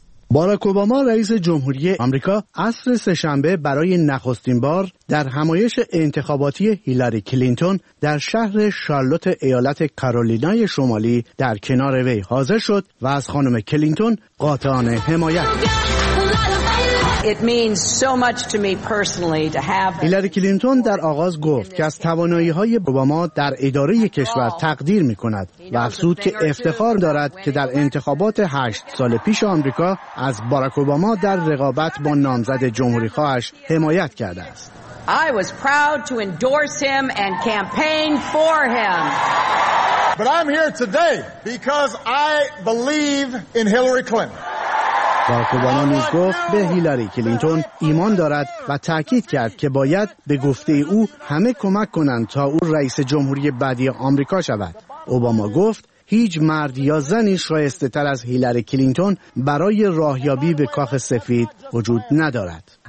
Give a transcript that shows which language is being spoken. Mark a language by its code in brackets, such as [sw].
[fa] باراک اوباما رئیس جمهوری آمریکا عصر سه‌شنبه برای نخستین بار در همایش انتخاباتی هیلاری کلینتون در شهر شارلوت ایالت کارولینای شمالی در کنار وی حاضر شد و از خانم کلینتون قاطعانه حمایت کرد. [en] It means so much to me personally to have. [fa] هیلاری کلینتون در آغاز گفت که از توانایی‌های اوباما در اداره کشور تقدیر می‌کند و افزود که افتخار دارد که در انتخابات 8 سال پیش آمریکا از باراک اوباما در رقابت با نامزد جمهوری‌خواهش حمایت کرده است. [en] I was proud to endorse him and campaign for him. But I'm here today because I believe in Hillary Clinton. [fa] باراک اوباما نیز گفت به هیلاری کلینتون ایمان دارد و تأکید کرد که باید به گفته او همه کمک کنند تا او رئیس جمهوری بعدی آمریکا شود. اوباما گفت هیچ مرد یا زنی شایسته تر از هیلاری کلینتون برای راهیابی به کاخ سفید وجود ندارد.